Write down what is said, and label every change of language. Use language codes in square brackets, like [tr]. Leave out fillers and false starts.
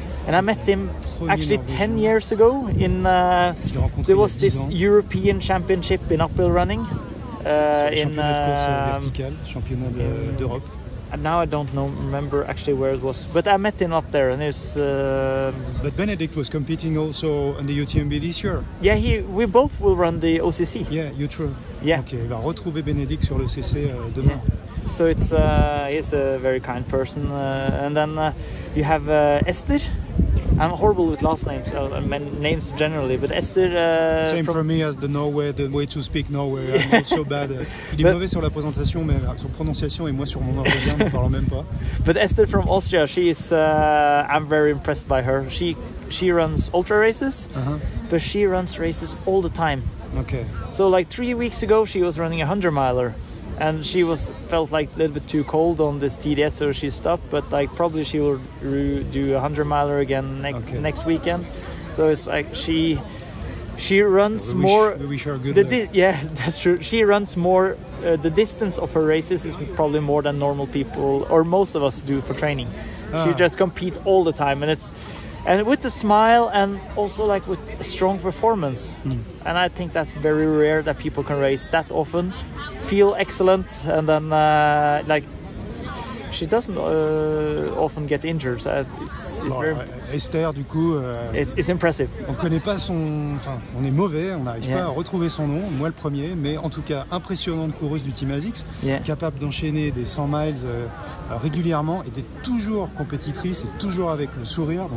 [en] And I met him actually 10 years ago in there was this European championship in uphill running [fr] d'Europe. [en] And now I don't know, remember actually where it was, but I met him up there and it's but Benedikt was competing also in the UTMB this year. Yeah, we both will run the OCC. Yeah, you true. Yeah. [fr] Okay, il va retrouver Benedikt sur l'OCC demain. [en] Yeah. So it's he's a very kind person and then you have Esther. I'm horrible with last names, names generally, but Esther... Same for me as the Norway, the way to speak Norway, I'm not so bad. [fr] Il est mauvais sur la présentation, mais sur prononciation, et moi sur mon norvégien, on ne parle même pas. [en] But Esther from Austria, she is... I'm very impressed by her. She runs ultra races, but she runs races all the time. Okay. So like 3 weeks ago, she was running a 100-miler. And she was felt like a little bit too cold on this TDS, so she stopped. But like probably she will do a 100-miler again next weekend. So it's like she runs She runs more. The distance of her races is probably more than normal people or most of us do for training. She just competes all the time, and it's with a smile and also like with a strong performance. And I think that's very rare that people can race that often. Feel excellent, and then like she doesn't often get injured. So it's bon, very [fr] Esther, du coup, [en] it's impressive. [fr] On connaît pas son, enfin, on est mauvais, on n'arrive pas à retrouver son nom. Moi, le premier, mais en tout cas, impressionnante coureuse du Team ASICS, capable d'enchaîner des 100 miles régulièrement et d'être toujours compétitrice et toujours avec le sourire.